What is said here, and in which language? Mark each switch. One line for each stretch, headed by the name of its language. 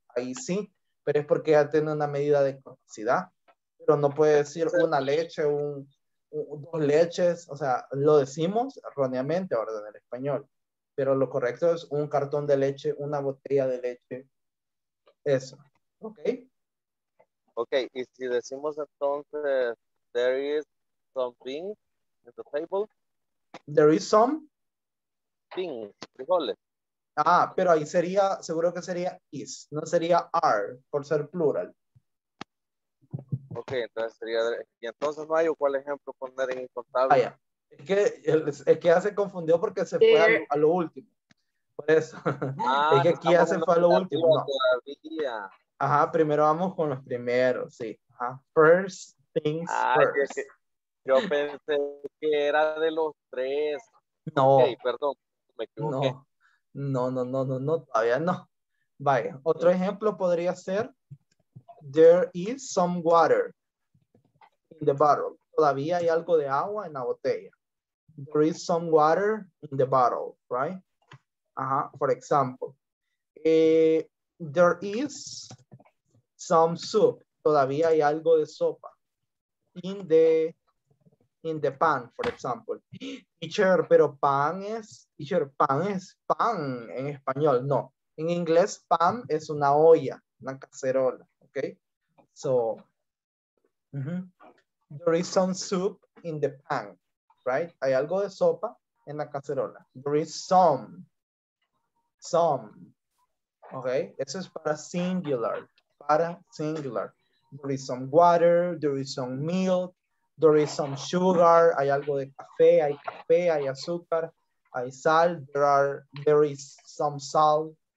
Spanish: Ahí sí, pero es porque ya tiene una medida de capacidad. Pero no puede decir una leche, dos leches. O sea, lo decimos erróneamente ahora en el español. Pero lo correcto es un cartón de leche, una botella de leche. Eso. ¿Ok? Ok. Y si decimos entonces,
English: there is something at the table. There is some. Things, frijoles.
Spanish: Ah, pero ahí sería, seguro que sería is. No sería are, por ser plural. Ok, entonces sería. ¿Y entonces no hay cuál ejemplo poner en incontable? Ah, ya. Es que ya se confundió porque se fue a lo último. Por eso. Ah, es que aquí ya se fue a lo último. No. Todavía. Ajá, primero vamos con los primeros, sí. Ajá.
English: First things first.
Spanish: Yo pensé que era de los tres. No. Okay, perdón, me equivoqué. No, todavía no. Vaya, otro ejemplo podría ser.
English: there is some water in the bottle.
Spanish: Todavía hay algo de agua en la botella.
English: There is some water in the bottle, right? Uh-huh. For example, there is some soup.
Spanish: Todavía hay algo de sopa
English: in the pan, for example.
Spanish: Teacher, pero pan es, teacher, pan es pan en español. No, en inglés pan es una olla, una cacerola, okay?
English: So, there is some soup in the pan, right?
Spanish: Hay algo de sopa en la cacerola.
English: There is some, okay?
Spanish: Eso es para singular.
English: There is some water, there is some milk, there is some sugar,
Spanish: hay algo de café, hay azúcar, hay sal,
English: there is some salt.